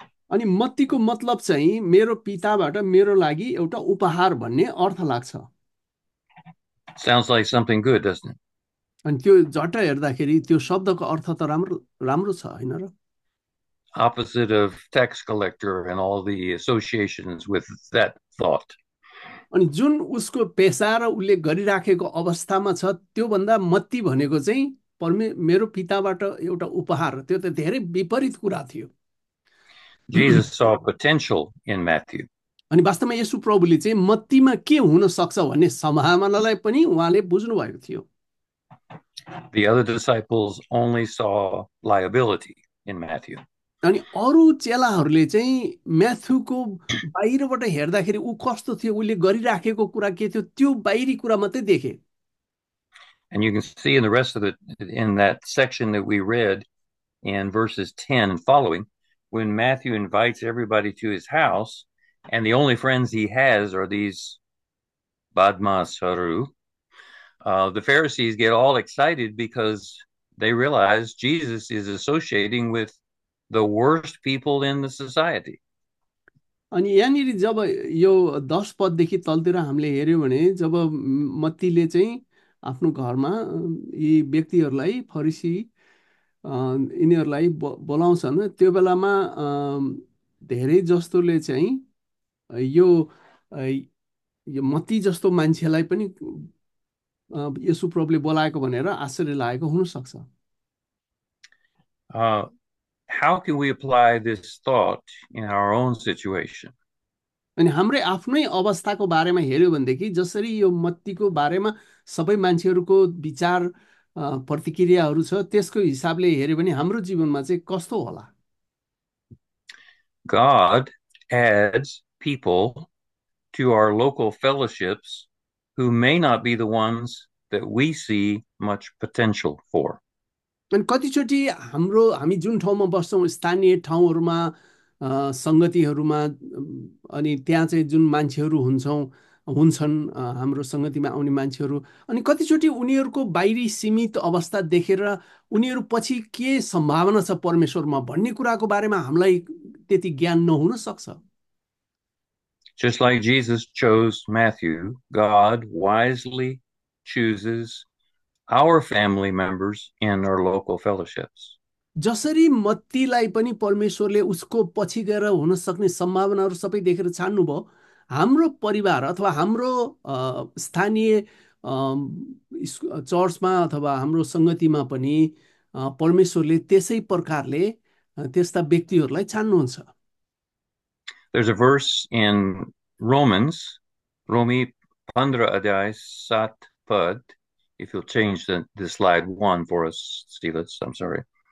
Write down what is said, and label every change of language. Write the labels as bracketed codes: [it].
[ne] अनि मत्तीको मतलब चाहिँ मेरो पिताबाट मेरो लागि एउटा उपहार भन्ने अर्थ लाग्छ। [en] Sounds like something good, doesn't it? [ne] अनि त्यो झट्ट हेर्दाखेरि त्यो शब्दको अर्थ त राम्रो राम्रो छ, होइन र? [en] Opposite of tax collector and all the associations with that thought. [ne] अनि जुन उसको पेसा र उसले गरिराखेको अवस्थामा छ, त्योभन्दा मत्ती भनेको चाहिँ मेरो पिताबाट एउटा उपहार, त्यो त धेरै विपरीत कुरा थियो। [en] Jesus [ne] अनि [en] saw potential in Matthew. [ne] वास्तवमा येशू प्रभुले चाहिँ मत्तीमा के हुन सक्छ भन्ने सम्भावनालाई पनि उहाँले बुझ्नुभएको थियो। [en] The other disciples only saw liability in Matthew. [ne] अनि अरू चेलाहरूले चाहिँ म्याथ्यूको बाहिरबाट हेर्दाखेरि ऊ कस्तो थियो, उसले गरिराखेको कुरा के थियो, त्यो बाहिरी कुरा मात्रै देखे। [en] And you can see in the rest of it, in that section that we read in verses 10 and following, when Matthew invites everybody to his house, and the only friends he has are these Badmaasharu, the Pharisees get all excited because they realize Jesus is associating with the worst people in the society. [ne] अनि यहाँनिर जब यो 10 पददेखि तलतिर हामीले हेऱ्यौँ भने, जब मत्तीले चाहिँ आफ्नो घरमा यी व्यक्तिहरूलाई फरिसी यिनीहरूलाई बोलाउँछन्, त्यो बेलामा धेरै जस्तोले चाहिँ यो मत्ती जस्तो मान्छेलाई पनि येशूप्रभुले बोलाएको भनेर आश्चर्य लागेको हुनसक्छ। [en] How can we apply this thought in our own situation? [ne] अनि हाम्रै आफ्नै अवस्थाको बारेमा हेऱ्यौँ भनेदेखि, जसरी यो मत्तीको बारेमा सबै मान्छेहरूको विचार प्रतिक्रियाहरू छ, त्यसको हिसाबले हेऱ्यौँ भने हाम्रो जीवनमा चाहिँ कस्तो होला? [en] God adds people to our local fellowships who may not be the ones that we see much potential for. [ne] अनि कतिचोटि हामी जुन ठाउँमा बस्छौँ, स्थानीय ठाउँहरूमा सङ्गतिहरूमा, अनि त्यहाँ चाहिँ जुन मान्छेहरू हुन्छन् हाम्रो सङ्गतिमा आउने मान्छेहरू, अनि कतिचोटि उनीहरूको बाहिरी सीमित अवस्था देखेर उनीहरू पछि के सम्भावना छ परमेश्वरमा भन्ने कुराको बारेमा हामीलाई त्यति ज्ञान नहुन सक्छ। [en] Just like Jesus chose Matthew, God wisely chooses our family members in our local fellowships. [ne] जसरी मत्तीलाई पनि परमेश्वरले उसको पछि गएर हुन सक्ने सम्भावनाहरू सबै देखेर छान्नुभयो, हाम्रो परिवार अथवा हाम्रो स्थानीय चर्चमा अथवा हाम्रो संगतिमा पनि परमेश्वरले त्यसै प्रकारले त्यस्ता व्यक्तिहरूलाई छान्नुहुन्छ। [en] There's a verse in Romans, [ne] Romi 15 adhyay 7 pad, [en] if you'll change the slide one for us, Steven, I'm sorry.